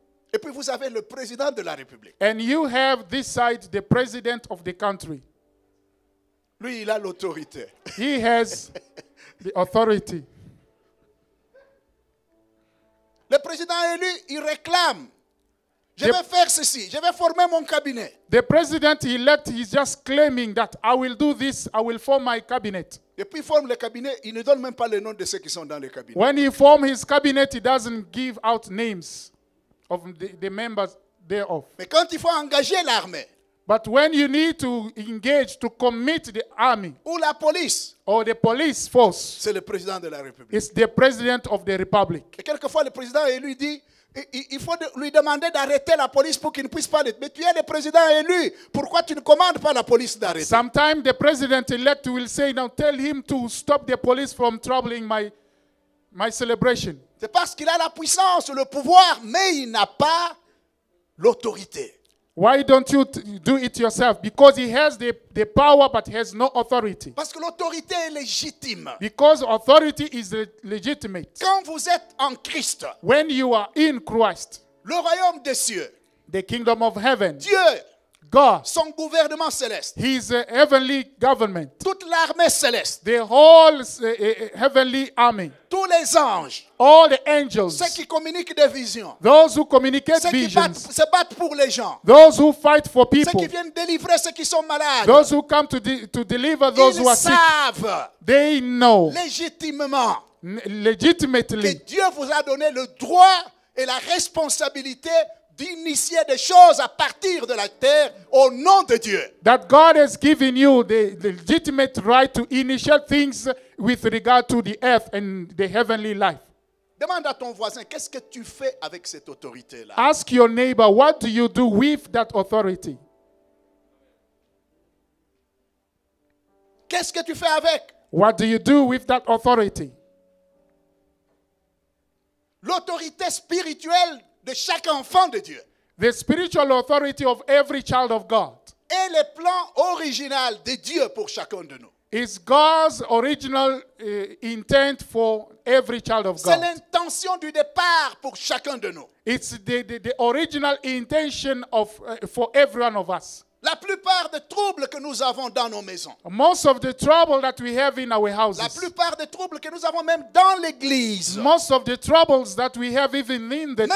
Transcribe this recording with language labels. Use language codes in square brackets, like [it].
[fr] Et puis vous avez le président de la République. [en] And you have this side the president of the country. [fr] Lui, il a l'autorité. [en] He has the authority. [fr] Le président élu, il réclame. Je vais faire ceci. Je vais former mon cabinet. [en] The president elect is just claiming that I will do this. I will form my cabinet. [fr] Et puis il forme le cabinet. Il ne donne même pas les noms de ceux qui sont dans le cabinet. [en] When he forms his cabinet, he doesn't give out names of the members thereof. [fr] Mais quand il faut engager l'armée. [en] But when you need to engage, to commit the army. [fr] Ou la police. [en] Or the police force. [fr] C'est le président de la République. [en] It's the president of the republic. [fr] Et quelquefois le président élu dit, Il faut lui demander d'arrêter la police pour qu'il ne puisse pas l'être. Mais tu es le président élu. Pourquoi tu ne commandes pas la police d'arrêter? [en] Sometimes the president elect will say, now tell him to stop the police from troubling my celebration. [fr] C'est parce qu'il a la puissance, le pouvoir, mais il n'a pas l'autorité. [en] Why don't you do it yourself? Because he has the power, but has no authority. [fr] Parce que l'autorité est légitime. [en] Because authority is legitimate. [fr] Quand vous êtes en Christ, [en] when you are in Christ, [fr] le royaume des cieux, [en] the kingdom of heaven, [fr] Dieu, [en] God, [fr] son gouvernement céleste, [en] his heavenly government, [fr] toute l'armée céleste, [en] the whole heavenly army, [fr] tous les anges, [en] all the angels, [fr] ceux qui communiquent des visions, [en] those who communicate [fr] ceux [en] visions, [fr] qui se battent pour les gens, [en] those who fight for people, [fr] ceux qui viennent délivrer ceux qui sont malades, [en] those who come to deliver those [fr] ils [en] who are [fr] savent [en] sick, they know [fr] légitimement, [en] legitimately, [fr] que Dieu vous a donné le droit et la responsabilité d'initier des choses à partir de la terre au nom de Dieu. [en] That God has given you the legitimate right to initiate things with regard to the earth and the heavenly life. [fr] Demande à ton voisin, qu'est-ce que tu fais avec cette autorité-là? [en] Ask your neighbor, what do you do with that authority? [fr] Qu'est-ce que tu fais avec? [en] What do you do with that authority? [fr] L'autorité spirituelle de chaque enfant de Dieu. [en] The spiritual authority of every child of God. [fr] Et le plan original de Dieu pour chacun de nous. [en] It's God's original intent for every child of God. [fr] C'est l'intention du départ pour chacun de nous. [en] It's the original intention of for every one of us. [fr] La plupart des troubles que nous avons dans nos maisons. [en] Most of the trouble that we have in our houses. [fr] La plupart des troubles que nous avons même dans l'église. [en] Most of the troubles that we have even in the